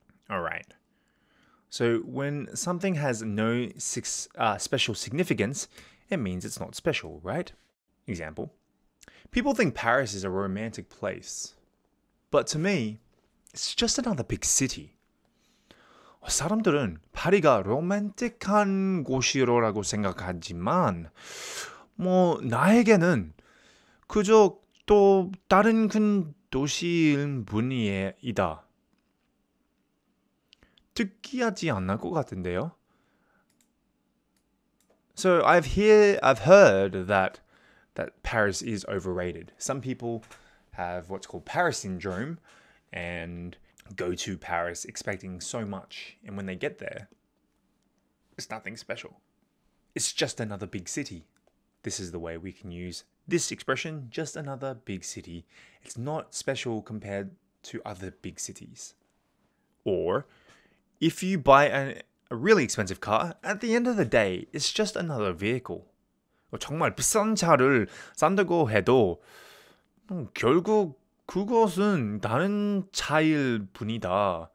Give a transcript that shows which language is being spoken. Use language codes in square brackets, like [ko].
[en] Alright, so when something has no special significance, it means it's not special, right? Example, people think Paris is a romantic place, but to me, it's just another big city. [ko] 사람들은 파리가 로맨틱한 곳이라고 생각하지만, 뭐 나에게는 그저 또 다른 큰 도시일 뿐이다. 특이하지 않을 것 같은데요? [en] So I've heard that Paris is overrated. Some people have what's called Paris syndrome and go to Paris expecting so much, and when they get there, it's nothing special. It's just another big city. This is the way we can use this expression, just another big city. It's not special compared to other big cities. Or, if you buy a really expensive car, at the end of the day, it's just another vehicle. [ko] 정말 비싼 차를 산다고 해도 결국 그것은 다른 차일 뿐이다.